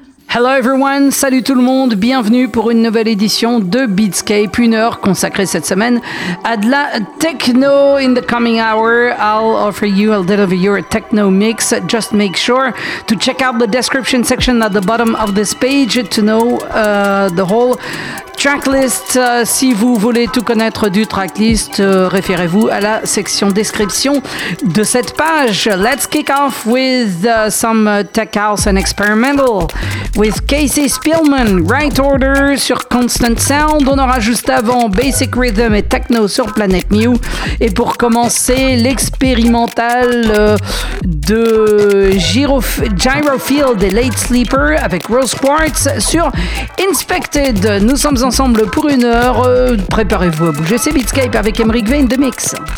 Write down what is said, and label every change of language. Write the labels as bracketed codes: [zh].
[en] Hello everyone, [fr] salut tout le monde, bienvenue pour une nouvelle édition de Beatscape, une heure consacrée cette semaine à de la techno. [en] In the coming hour, I'll offer you a little of your techno mix. Just make sure to check out the description section at the bottom of this page to know the whole tracklist. [fr] Si vous voulez tout connaître du tracklist, référez-vous à la section description de cette page. [en] Let's kick off with some tech house and experimental with Casey SPILLMAN, Right Order sur Constant Sound. [fr] On aura juste avant Basic Rhythm et Techno sur Planet Mew. Et pour commencer, l'expérimental de GYROFIELD et LATESLEEPER avec Rosequartz sur Inspected. Nous sommes ensemble pour une heure. Préparez-vous à bouger, c'est Beatscape avec Emeric Vain de Mix.